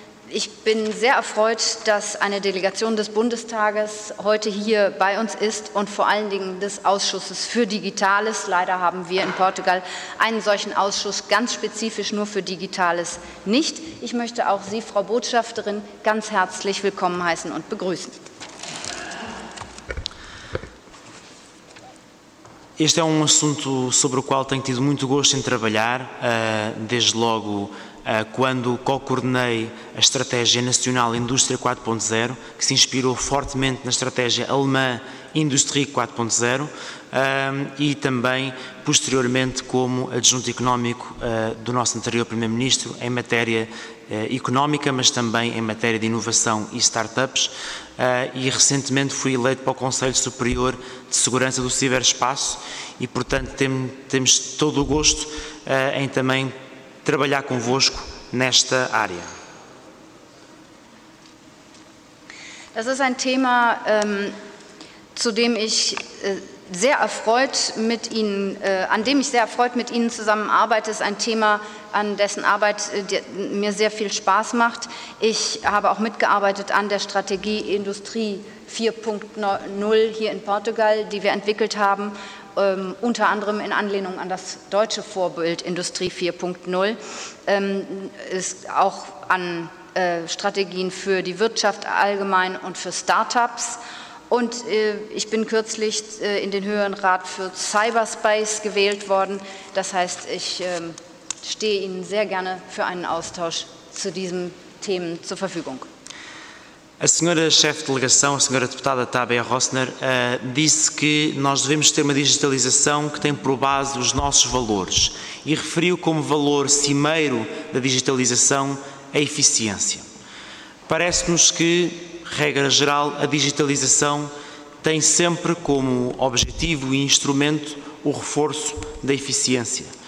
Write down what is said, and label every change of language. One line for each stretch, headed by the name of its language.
German: Ich bin sehr erfreut, dass eine Delegation des Bundestages heute hier bei uns ist und vor allen Dingen des Ausschusses für Digitales. Leider haben wir in Portugal einen solchen Ausschuss ganz spezifisch nur für Digitales nicht. Ich möchte auch Sie, Frau Botschafterin, ganz herzlich willkommen heißen und begrüßen.
Portuguese: Este é um assunto sobre o qual tenho tido muito gosto em trabalhar, desde logo quando co-coordenei a Estratégia Nacional Indústria 4.0, que se inspirou fortemente na Estratégia Alemã Industrie 4.0, e também, posteriormente, como adjunto económico do nosso anterior Primeiro-Ministro em matéria económica, mas também em matéria de inovação e startups, e recentemente fui eleito para o Conselho Superior de Segurança do Ciberespaço, e portanto temos todo o gosto em também trabalhar convosco nesta área.
German: Das ist ein Thema, zu dem ich sehr erfreut mit Ihnen, an dem ich sehr erfreut mit Ihnen zusammenarbeite, ist ein Thema, an dessen Arbeit mir sehr viel Spaß macht. Ich habe auch mitgearbeitet an der Strategie Industrie 4.0 hier in Portugal, die wir entwickelt haben, unter anderem in Anlehnung an das deutsche Vorbild Industrie 4.0. Ist auch an Strategien für die Wirtschaft allgemein und für Startups. Und ich bin kürzlich in den höheren Rat für Cyberspace gewählt worden. Das heißt, ich stehe Ihnen sehr gerne für einen Austausch zu diesen Themen zur Verfügung.
Portuguese: A senhora chefe de delegação, a senhora deputada Tabea Rossner, disse que nós devemos ter uma digitalização que tem por base os nossos valores e referiu como valor cimeiro da digitalização a eficiência. Parece-nos que, regra geral, a digitalização tem sempre como objetivo e instrumento o reforço da eficiência.